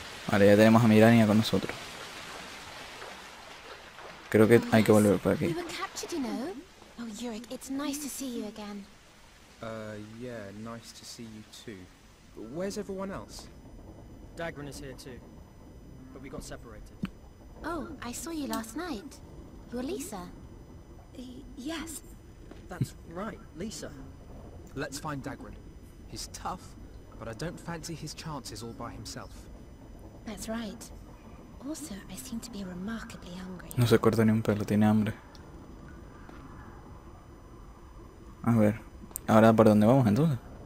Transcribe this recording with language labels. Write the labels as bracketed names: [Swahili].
[Spanish] Vale, ya tenemos a Mirania con nosotros. Creo que hay que volver por aquí. [English] Oh, Yurik, it's nice to see you again. Yeah, nice to see you too. Where's everyone else? Dagrin is here too. But we got separated. Oh, I saw you last night. You're Lisa. Yes. That's right, Lisa. Let's find Dagrin. He's tough, but I don't fancy his chances all by himself. That's right. Also, I seem to be remarkably hungry. [Spanish] No se corta ni un pelo, tiene hambre. A ver, ¿ahora por dónde vamos entonces?